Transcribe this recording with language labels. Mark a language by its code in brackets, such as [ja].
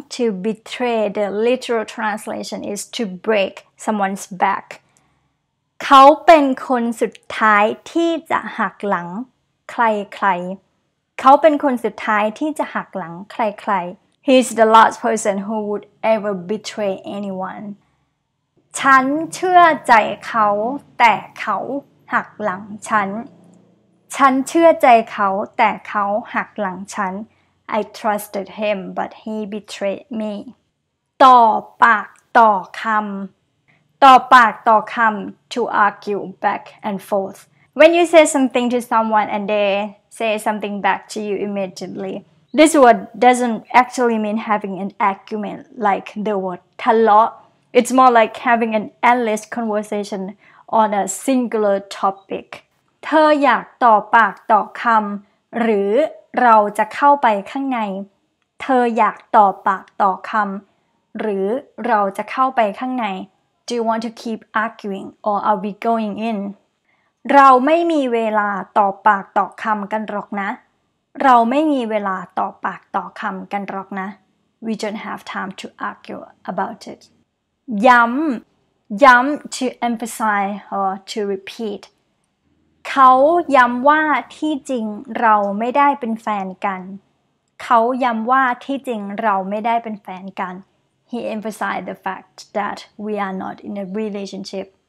[en] to betray the literal translation is to break someone's back. [th] เขาเป็นคนสุดท้ายที่จะหักหลังใครๆเขาเป็นคนสุดท้ายที่จะหักหลังใคร [en] ๆ He's the last person who would ever betray anyone. [th] ฉันเชื่อใจเขาแต่เขาหักหลังฉันฉันเชื่อใจเขาแต่เขาหักหลังฉัน [en] I trusted him but he betrayed me [th] ต่อปากต่อคำต่อปากต่อคำ [en] to argue back and forth when you say something to someone and they say something back to you immediately this word doesn't actually mean having an argument like the word ทะเลาะIt's more like having an endless conversation on a singular topic. [th] เธออยากต่อปากต่อคำหรือเราจะเข้าไปข้างในเธออยากต่อปากต่อคำหรือเราจะเข้าไปข้างใน [en] Do you want to keep arguing or are we going in? [th] เราไม่มีเวลาต่อปากต่อคำกันหรอกนะเราไม่มีเวลาต่อปากต่อคำกันหรอกนะ [en] We don't have time to argue about it. [th] ย้ำ [en] to emphasize or to repeat [th] เขาย้ำว่าที่จริงเราไม่ได้เป็นแฟนกัน เ เขาย้ำว่าที่จริงเราไม่ได้เป็นแฟนกัน. [en] He emphasized the fact that we are not in a relationship.